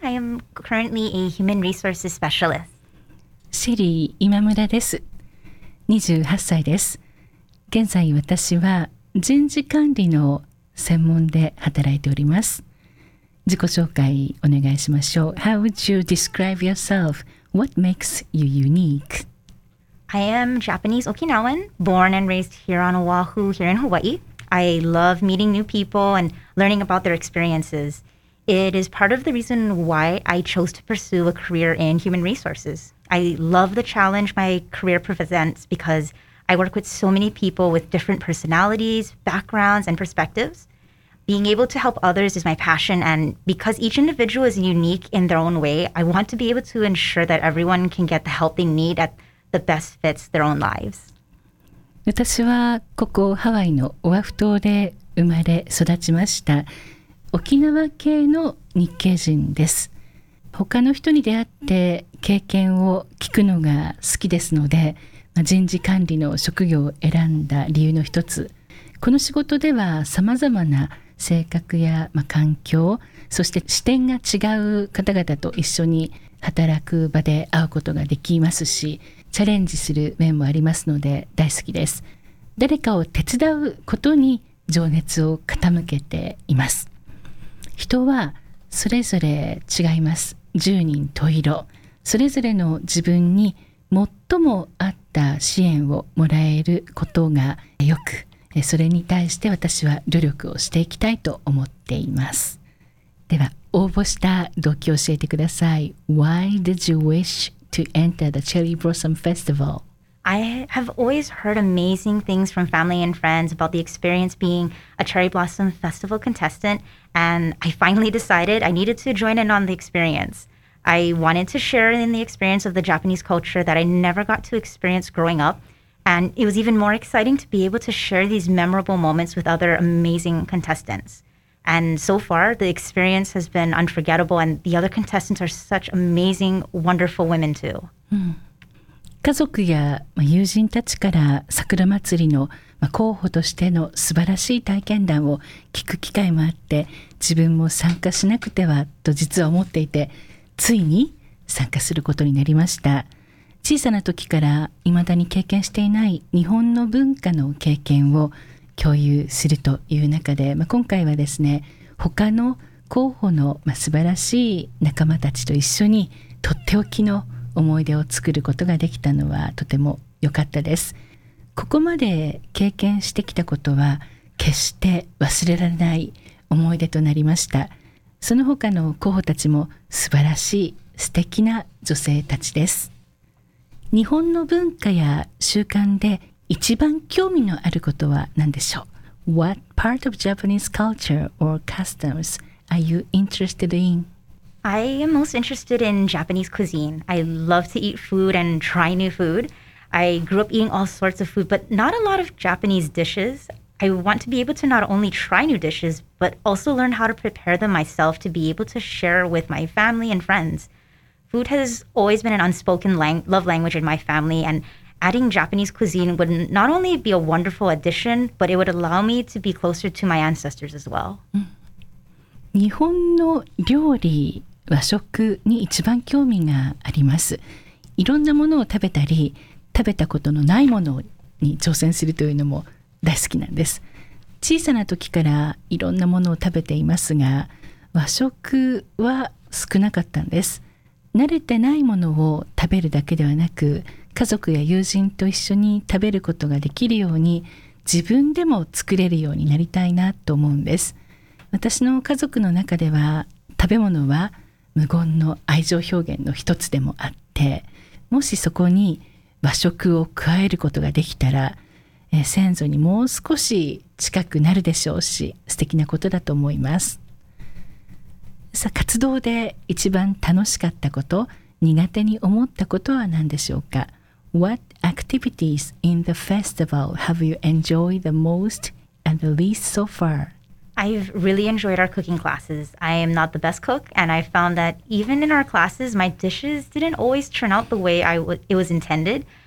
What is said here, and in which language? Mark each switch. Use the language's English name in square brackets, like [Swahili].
[English] I am currently a human resources specialist. [Japanese] Shelly Imamura です。 28歳です。現在私は人事管理の専門で働いております。自己紹介お願いしましょう。 [English] How would you describe yourself? What makes you unique? I am Japanese Okinawan, born and raised here on Oahu, here in Hawaii. I love meeting new people and learning about their experiences. It is part of the reason why I chose to pursue a career in human resources. I love the challenge my career presents because I work with so many people with different personalities, backgrounds, and perspectives. Being able to help others is my passion, and because each individual is unique in their own way, I want to be able to ensure that everyone can get the help they need at the best fits their own lives. [Japanese] 私はここハワイのオアフ島で生まれ育ちました。沖縄系の日系人です。他の人に出会って経験を聞くのが好きですので、まあ、人事管理の職業を選んだ理由の一つ。この仕事では様々な性格や、まあ、環境、そして視点が違う方々と一緒に働く場で会うことができますし、チャレンジする面もありますので大好きです。誰かを手伝うことに情熱を傾けています。人はそれぞれ違います。十人十色、それぞれの自分に最も合った支援をもらえることがよく、それに対して私は努力をしていきたいと思っています。では応募した動機を教えてください。 [English] Why did you wishto enter the Cherry Blossom Festival? I have always heard amazing things from family and friends about the experience being a Cherry Blossom Festival contestant, and I finally decided I needed to join in on the experience. I wanted to share in the experience of the Japanese culture that I never got to experience growing up, and it was even more exciting to be able to share these memorable moments with other amazing contestants. And so far, the experience has been unforgettable, and the other contestants are such amazing, wonderful women too. [Japanese] 家族や友人たちから桜祭りの候補としての素晴らしい体験談を聞く機会もあって、自分も参加しなくてはと実は思っていて、ついに参加することになりました。小さな時から未だに経験していない日本の文化の経験を共有するという中で、まあ、今回はですね、他の候補の、まあ、素晴らしい仲間たちと一緒にとっておきの思い出を作ることができたのはとても良かったです。ここまで経験してきたことは決して忘れられない思い出となりました。その他の候補たちも素晴らしい素敵な女性たちです。日本の文化や習慣で一番興味のあることは何でしょう? [English] What part of Japanese culture or customs are you interested in? I am most interested in Japanese cuisine. I love to eat food and try new food. I grew up eating all sorts of food, but not a lot of Japanese dishes. I want to be able to not only try new dishes, but also learn how to prepare them myself to be able to share with my family and friends. Food has always been an unspoken love language in my family, andAdding Japanese cuisine would not only be a wonderful addition, but it would allow me to be closer to my ancestors as well. [Japanese] 日本の料理、和食に一番興味があります。いろんなものを食べたり、食べたことのないものに挑戦するというのも大好きなんです。小さな時からいろんなものを食べていますが、和食は少なかったんです。慣れてないものを食べるだけではなく、家族や友人と一緒に食べることができるように、自分でも作れるようになりたいなと思うんです。私の家族の中では食べ物は無言の愛情表現の一つでもあって、もしそこに和食を加えることができたら、先祖にもう少し近くなるでしょうし、素敵なことだと思います。さあ、活動で一番楽しかったこと、苦手に思ったことは何でしょうか。 [English] What activities in the festival have you enjoyed the most and the least so far? I've really enjoyed our cooking classes. I am not the best cook, and I found that even in our classes, my dishes didn't always turn out the way it was intended.